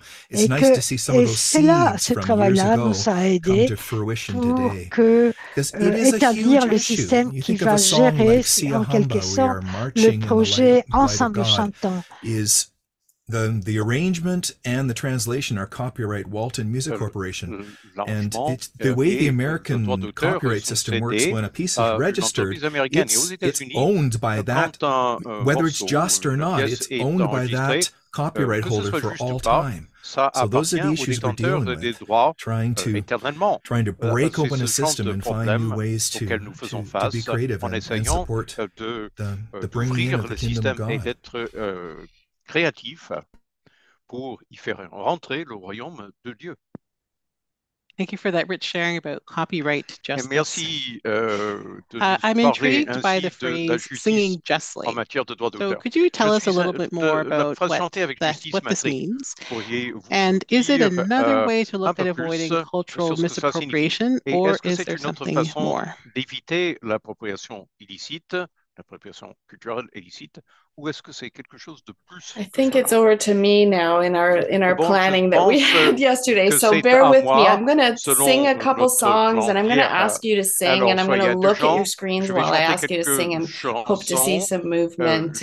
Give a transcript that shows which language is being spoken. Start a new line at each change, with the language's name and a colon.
French: Et c'est là, ce travail-là nous a aidé pour que, établir le système qui va gérer, en quelque sorte, le projet Ensemble, chantons.
English: The arrangement and the translation are copyright Walton Music Corporation. And it's the way the American copyright system works, when a piece is registered, it's owned by that, whether it's just or not, it's owned by that copyright holder for all time. So those are the issues we're dealing with, trying to break open a system and find new ways to be creative and support the bringing of the kingdom of God.
French: Créatif pour y faire rentrer le royaume de Dieu.
English: Thank you for that rich sharing about copyright justice.
French: Et merci de nous parler ainsi
English: by the phrase
French: de la justice en matière de droits d'auteur.
English: So could you tell us a little bit more about what this means? And is it another way to look at avoiding cultural misappropriation, or is there something more?
French: Est-ce que c'est une autre façon d'éviter l'appropriation illicite, l'appropriation culturelle illicite? Ou est-ce que c'est quelque chose de plus?
English: I think it's over to me now in our planning that we had yesterday. So bear with me. I'm going to sing a couple songs and I'm going to ask you to sing and I'm going to look at your screens while I ask you to sing and hope to see some movement.